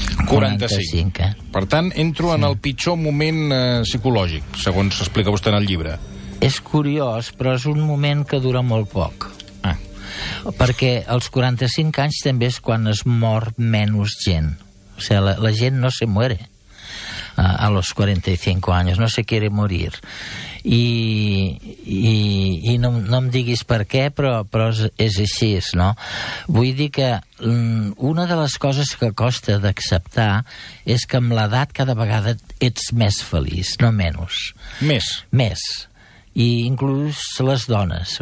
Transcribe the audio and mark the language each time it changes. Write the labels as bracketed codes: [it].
[ca] 45. Per tant, entro en el pitjor moment psicològic, segons explica vostè en el llibre. És curiós, però és un moment que dura molt poc. Ah. Perquè als 45 anys també és quan es mor menys gent. O sigui, la gent [es] no se muere a los 45 años, no se quiere morir. [ca] I no em diguis per què, però és així, no? Vull dir que una de les coses que costa d'acceptar és que amb l'edat cada vegada ets més feliç, no menys. Més. Més. I inclús les dones.